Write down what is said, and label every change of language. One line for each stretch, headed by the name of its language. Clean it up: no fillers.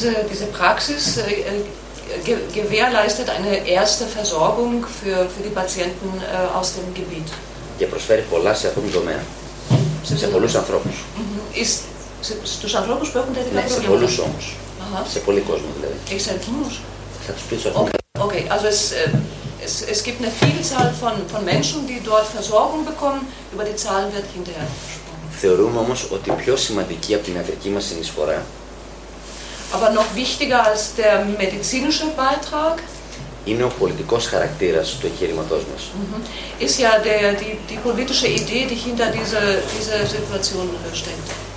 German: Diese Praxis gewährleistet eine erste Versorgung für die Patienten aus dem Gebiet.
Greek: Και προσφέρει πολλά σε αυτόν τον τομέα. Σε πολλούς ανθρώπους. Στους ανθρώπους που έχουν τέτοια προβλήματα. Ναι, σε πολλούς όμως. Αχα. σε πολύ κόσμο δηλαδή. Έχεις αριθμούς? Θα τους πεις αριθμούς.
German: Okay, also es gibt eine Vielzahl von Menschen, die dort Versorgung bekommen. Über die Zahlen wird hinterher gesprochen.
Greek: Θεωρούμε όμως ότι πιο σημαντική από την ιατρική μας συνεισφορά.
German: Aber noch wichtiger als der medizinische Beitrag.
Greek: Είναι ο πολιτικός χαρακτήρας του εγχειρηματός μας.
German: Ist ja die politische Idee, die hinter dieser Situation steckt.